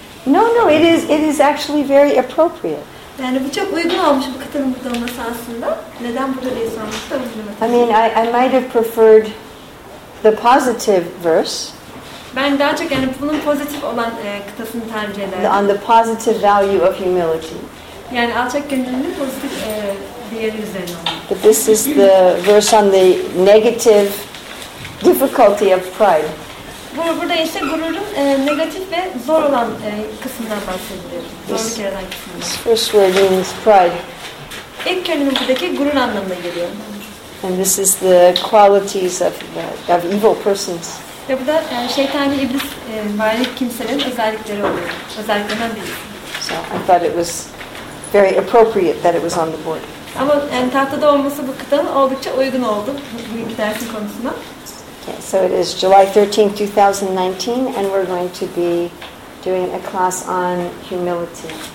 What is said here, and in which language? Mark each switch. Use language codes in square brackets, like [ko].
[en] No, it is actually very appropriate. [tr] Yani bu çok uygun olmuş bu kitabın burada olması aslında. Neden burada diye sormuş da bilmiyorum. [en] I mean, I might have preferred the positive verse. [tr] Ben daha çok yani bunun pozitif olan kıtasını tercih ederdim. [en] On the positive value of humility. [tr] Yani alçak gönüllülüğün pozitif değeri üzerine olan. [en] But this is the verse on the negative difficulty of pride. [tr] Burada ise gururun negatif ve zor olan kısmından bahsediliyor. Zorluk yaratan kısmından. [en] First word means pride. [tr] İlk kelime buradaki gurur anlamına geliyor. [en] And this is the qualities of evil persons. [tr] Ya burada şeytani iblis varlık kimselerin özellikleri oluyor. Özelliklerinden biri. [en] So I thought it was very appropriate that it was on the board. [tr] Ama tahtada olması bu kıtanın oldukça uygun oldu bugünkü dersin konusuna. [en] Okay, so it is July 13, 2019, and we're going to be doing a class on humility.